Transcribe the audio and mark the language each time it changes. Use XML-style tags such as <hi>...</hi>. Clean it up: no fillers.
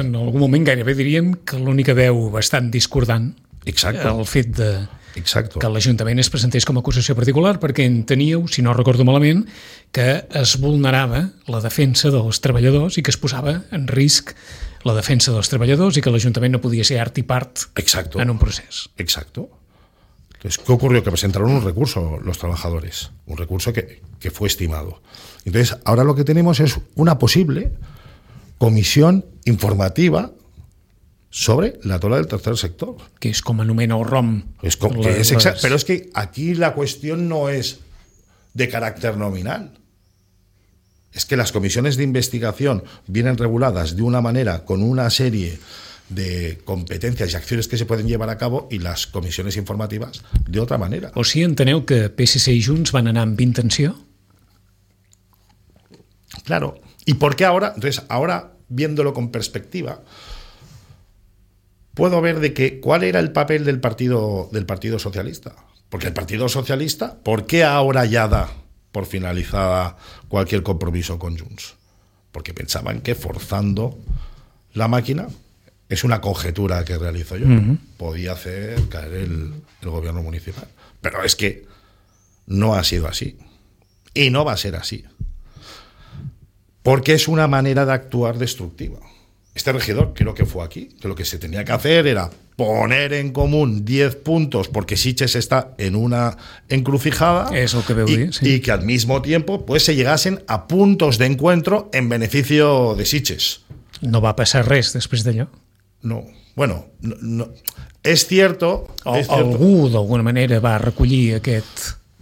<ca>En algun moment gairebé diríem que l'única veu bastant discordant el fet de que l'Ajuntament es presentés com a acusació particular, perquè enteníeu, si no recordo malament, que es vulnerava la defensa dels treballadors i que es posava en risc la defensa dels treballadors i que l'Ajuntament no podia ser art i part en un procés.</ca> <es>Exacto. Entonces, ¿qué ocurrió? Que presentaron un recurso los trabajadores, un recurso que fue estimado. Entonces, ahora lo que tenemos es una posible comisión informativa sobre la tola del tercer sector. Que es como anomena el ROM. Pero es que aquí la cuestión no es de carácter nominal. Es que las comisiones de investigación vienen reguladas de una manera, con una serie de</es> <ca>competències i accions que se poden llevar a cabo i les comissions informatives d'altra manera. O sigui, enteneu que PSC i Junts van anar amb intenció?</ca> <es>Claro. ¿Y por qué ahora? Entonces, ahora, viéndolo con perspectiva, puedo ver de que cuál era el papel del Partido Socialista. Porque el Partido Socialista, ¿por qué ahora ya da por finalizada cualquier compromiso con Junts? Porque pensaban que forzando la máquina... Es una conjetura que realizo yo. Uh-huh. Podía hacer caer el gobierno municipal. Pero es que no ha sido así. Y no va a ser así. Porque es una manera de actuar destructiva. Este regidor, creo que fue aquí, que lo que se tenía que hacer era poner en común 10 puntos, porque Sitges está en una encrucijada. Eso que veo bien, sí. Y que al mismo tiempo pues se llegasen a puntos de encuentro en beneficio de Sitges. No va a pasar res después de ello. No, bueno, no. Es cierto,</es> <ca>algú d'alguna manera va recollir aquest...</ca>